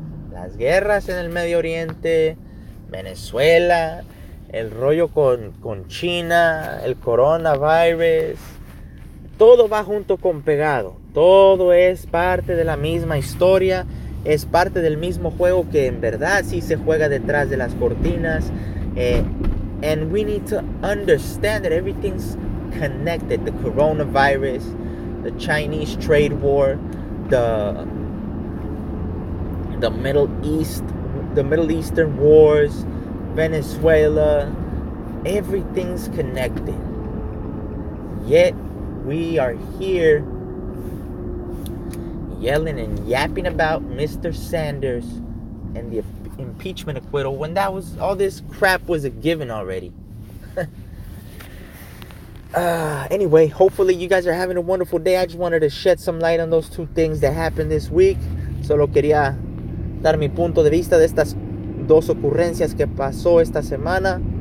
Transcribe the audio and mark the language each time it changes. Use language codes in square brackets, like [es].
[es] Las guerras en el Medio Oriente, Venezuela, el rollo con China, el coronavirus, todo va junto con pegado. Todo es parte de la misma historia, es parte del mismo juego que en verdad sí se juega detrás de las cortinas. [en] And we need to understand that everything's connected. The coronavirus, the Chinese trade war, the Middle Eastern wars, Venezuela, everything's connected. Yet we are here yelling and yapping about Mr. Sanders and the impeachment acquittal when all this crap was a given already. Anyway, hopefully you guys are having a wonderful day. I just wanted to shed some light on those two things that happened this week. [es] Solo quería dar mi punto de vista de estas dos ocurrencias que pasó esta semana.